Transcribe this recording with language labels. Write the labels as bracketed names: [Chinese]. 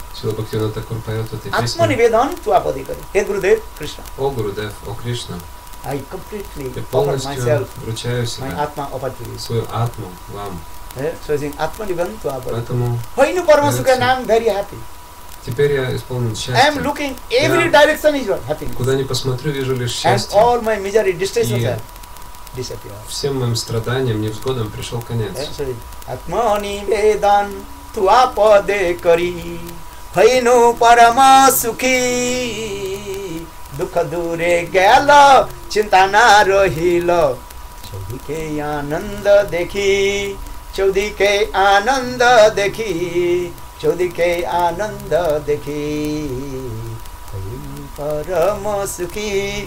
[Russian] Шрила Бхактивинода Тхакур поет в этой песне. [Sanskrit] Атмани ведан ту ападе кари. Хе Гурудев, Кришна. [Russian] О Гурудев, о Кришна. [English] I completely offer myself, [Russian] вручаю себя, [English] my atma offer to you. [Russian] Свою атму вам. [English] So I think, [Sanskrit] атмани ведан ту ападе кари. Хайну парама сухи, [English] I am very happy. [Russian] Теперь я исполнен счастьем. [English] I am looking every direction is your happiness. [Russian] Куда ни посмотрю, вижу лишь счастье. [English] And all my misery, distress of disappear. [Russian] Всем моим страданиям, невзгодам пришел конец. [Sanskrit] Атмани ведан ту ападе кари Hainu parama sukhi dukha dure gelo chinta na rohilo chaudike ananda dekhi chaudike ananda dekhi chaudike ananda dekhi hainu parama sukhi.